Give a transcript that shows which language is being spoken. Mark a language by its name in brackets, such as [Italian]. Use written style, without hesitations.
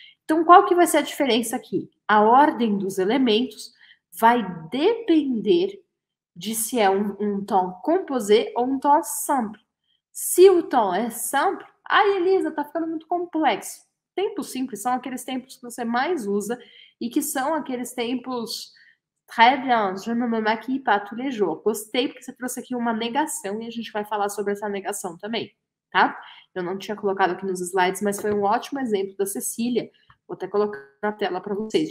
[Portuguese] Então qual que vai ser a diferença aqui? A ordem dos elementos vai depender de se é um temps composé ou um temps simple. Se o temps é simple, ai Elisa, tá ficando muito complexo. Tempos simples são aqueles tempos que você mais usa e que são aqueles tempos. [French] Très bien, je me maquille pas tous les jours. [Portuguese] Gostei porque você trouxe aqui uma negação e a gente vai falar sobre essa negação também, tá? Eu não tinha colocado aqui nos slides, mas foi um ótimo exemplo da Cecília. Vou até colocar na tela para vocês.